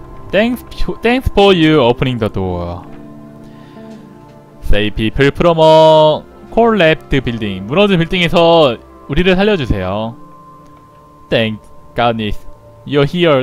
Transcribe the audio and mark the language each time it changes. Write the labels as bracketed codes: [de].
[en] Thanks for you opening the door. Save people from a collapsed building. [ko] 무너진 빌딩에서 우리를 살려주세요. [en] Thank goodness you're here.